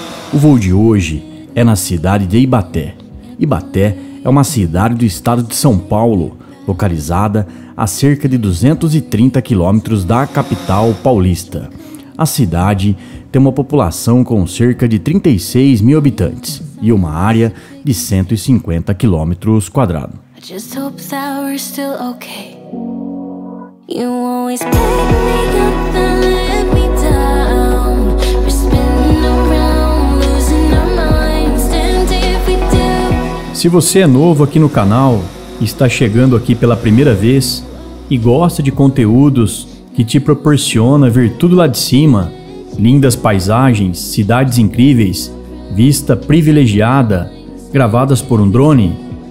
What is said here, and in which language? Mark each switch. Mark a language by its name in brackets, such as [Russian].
[Portuguese] O voo de hoje é na cidade de Ibaté. Ibaté é uma cidade do estado de São Paulo, localizada a cerca de 230 quilômetros da capital paulista. A cidade tem uma população com cerca de 36 mil habitantes e uma área de 150 quilômetros quadrados. [English] I just hope that we're still okay. You always pick me up and let me down. We're spinning around, losing our minds. And if we do. [Portuguese] Se você é novo aqui no canal, está chegando aqui pela primeira vez e gosta de conteúdos que te proporciona ver tudo lá de cima, lindas paisagens, cidades incríveis, vista privilegiada, gravadas por um drone,